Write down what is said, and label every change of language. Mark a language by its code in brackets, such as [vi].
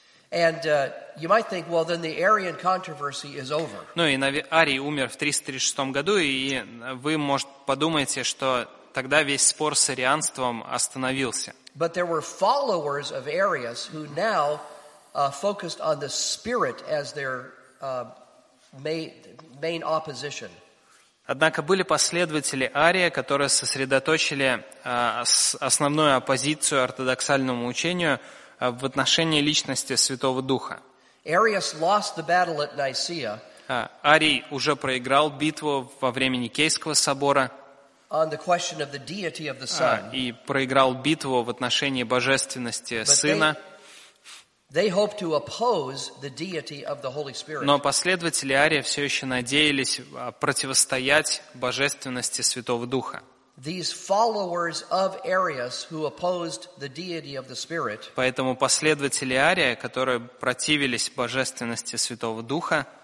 [en] And you might think, well, then the Arian controversy is over. [ru] Ну и Арий умер в 336 году, и вы, может, подумаете, что тогда весь спор с арианством остановился. [en] But there were followers of Arius who now focused on the spirit as their main opposition. [ru] Однако были последователи Ария, которые сосредоточили основную оппозицию ортодоксальному учению в отношении личности Святого Духа. [en] Arius lost the battle at Nicaea. [ru] Арий уже проиграл битву во время Никейского собора. [en] On the question of the deity of the Son. [ru] И проиграл битву в отношении божественности Сына. [en] They hope to oppose the deity of the Holy Spirit. [ru] Но последователи Ария все еще надеялись противостоять божественности Святого Духа. [en] These followers of Arius who opposed the deity of the Spirit. [ru] Поэтому последователи Ария, которые противились божественности Святого Духа,